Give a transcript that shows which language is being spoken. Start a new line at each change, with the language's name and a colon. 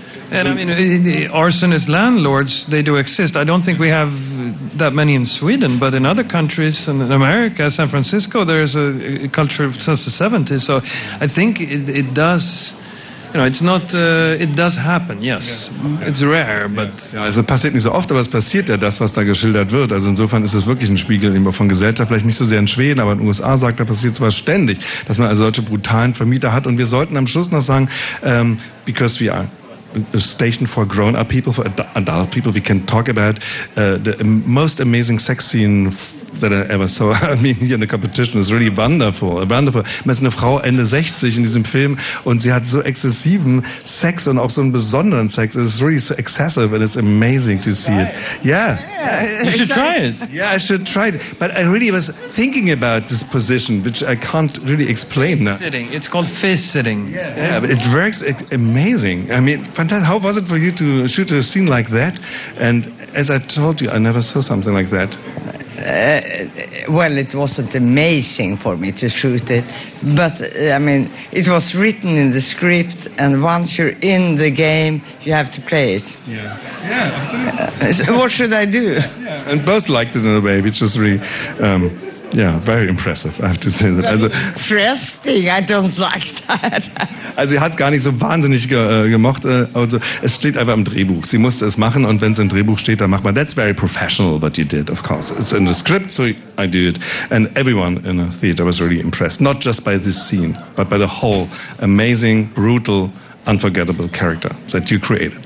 English: And I mean, arsonist landlords, they do exist. I don't think we have that many in Sweden, but in other countries, in America, San Francisco, there's a culture since the 70s. So I think it does, you know, it's not, it does happen, yes. Yeah. It's rare, but...
German: Ja, also passiert nicht so oft, aber es passiert ja das, was da geschildert wird. Also insofern ist es wirklich ein Spiegel von Gesellschaft, vielleicht nicht so sehr in Schweden, aber in den USA sagt, da passiert zwar ständig, dass man also solche brutalen Vermieter hat. Und wir sollten am Schluss noch sagen,
English: because we are... a station for grown-up people, for adult people. We can talk about the most amazing sex scene that I ever saw. I mean, here in the competition is really wonderful.
German: Man ist eine Frau Ende 60 in diesem Film und sie hat so exzessiven Sex und auch so einen besonderen Sex.
English: It's really so excessive and it's amazing to see it. Yeah. You should try it. Yeah, I should try it. But I really was thinking about this position, which I can't really explain. Face sitting. It's called face sitting. Yeah, but it works amazing. I mean, fantastic. How was it for you to shoot a scene like that? And as I told you, I never saw something like that. Well, it wasn't amazing for me to shoot it, but I mean, it was written in the script, and once you're in the game, you have to play it. Yeah, absolutely. So what should I do? Yeah, and both liked it in a way, which was really, very impressive, I have to say that. Also, interesting, I don't like that.
German: Also, sie hat es gar nicht so wahnsinnig gemocht. Also, es steht einfach im Drehbuch. Sie musste es machen und wenn es im Drehbuch steht, dann macht man.
English: That's very professional what you did, of course. It's in the script, so I do it. And everyone in the theater was really impressed. Not just by this scene, but by the whole amazing, brutal, unforgettable character that you created.